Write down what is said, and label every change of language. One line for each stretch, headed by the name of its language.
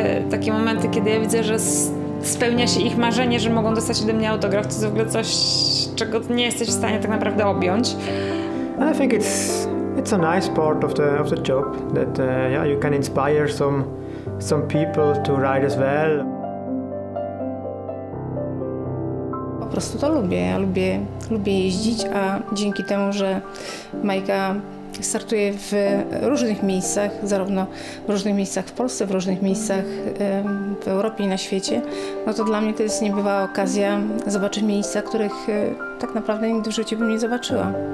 Polish: Takie momenty, kiedy ja widzę, że spełnia się ich marzenie, że mogą dostać ode mnie autograf, to jest w ogóle coś, czego nie jesteś w stanie tak naprawdę objąć.
English: I think it's a nice part of the job that you can inspire some people to ride as well.
Polish: Po prostu to lubię. Ja lubię jeździć, a dzięki temu, że Majka startuje w różnych miejscach, zarówno w różnych miejscach w Polsce, w różnych miejscach w Europie i na świecie, no to dla mnie to jest niebywała okazja zobaczyć miejsca, których tak naprawdę nigdy w życiu bym nie zobaczyła.